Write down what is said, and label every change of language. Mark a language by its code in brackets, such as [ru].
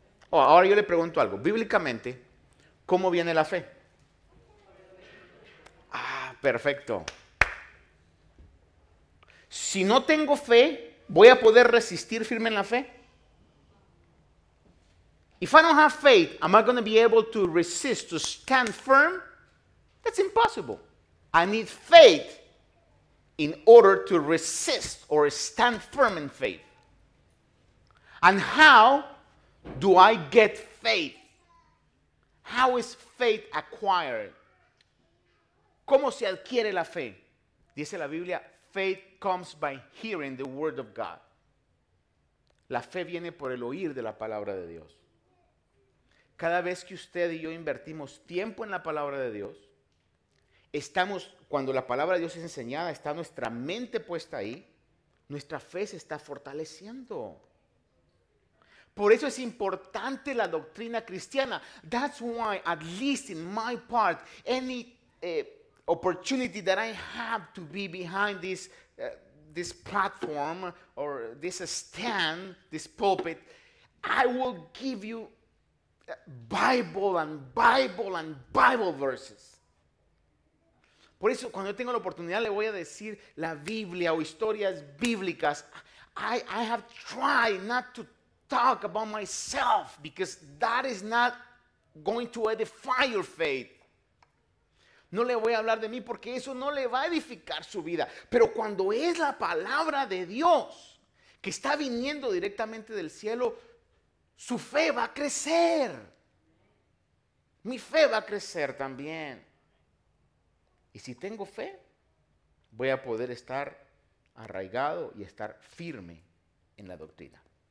[es] Oh, ahora yo le pregunto algo. Bíblicamente, ¿cómo viene la fe? Ah, perfecto. Si no tengo fe, ¿voy a poder resistir firme en la fe? [en] If I don't have faith, am I going to be able to resist, to stand firm? That's impossible. I need faith in order to resist or stand firm in faith. And how do I get faith? How is faith acquired? [es] ¿Cómo se adquiere la fe? Dice la Biblia, [en] faith comes by hearing the word of God. [es] La fe viene por el oír de la palabra de Dios. Cada vez que usted y yo invertimos tiempo en la palabra de Dios, estamos, cuando la palabra de Dios es enseñada, está nuestra mente puesta ahí, nuestra fe se está fortaleciendo. Por eso es importante la doctrina cristiana. [en] That's why, at least in my part, any opportunity that I have to be behind this platform or this stand, this pulpit, I will give you Bible and Bible and Bible verses. [es] Por eso, cuando yo tengo la oportunidad, le voy a decir la Biblia o historias bíblicas. [en] I have tried not to talk about myself because that is not going to edify your faith. [es] No le voy a hablar de mí porque eso no le va a edificar su vida. Pero cuando es la palabra de Dios que está viniendo directamente del cielo, su fe va a crecer. Mi fe va a crecer también. Y si tengo fe, voy a poder estar arraigado y estar firme en la doctrina.